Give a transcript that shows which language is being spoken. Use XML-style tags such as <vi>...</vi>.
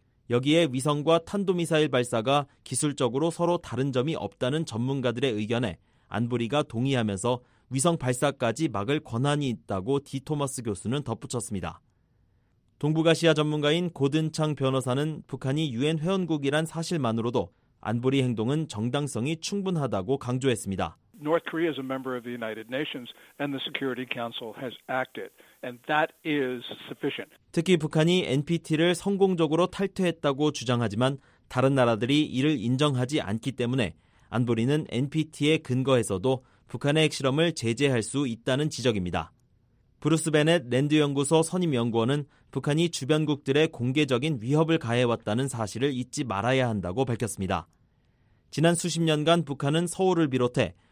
<ko>여기에 위성과 탄도미사일 발사가 기술적으로 서로 다른 점이 없다는 전문가들의 의견에 안보리가 동의하면서 위성 발사까지 막을 권한이 있다고 디 토머스 교수는 덧붙였습니다. 동북아시아 전문가인 고든창 변호사는 북한이 유엔 회원국이란 사실만으로도 안보리 행동은 정당성이 충분하다고 강조했습니다.</ko> <en>North Korea is a member of the United Nations and the Security Council has acted and that is sufficient.</en> <ko>특히 북한이 NPT를 성공적으로 탈퇴했다고 주장하지만 다른 나라들이 이를 인정하지 않기 때문에 안보리는 NPT에 근거해서도 북한의 핵실험을 제재할 수 있다는 지적입니다. 브루스 베넷 랜드 연구소 선임 연구원은 북한이 주변국들의 공개적인 위협을 가해왔다는 사실을 잊지 말아야 한다고 밝혔습니다. 지난 수십 년간 북한은 서울을 비롯해</ko>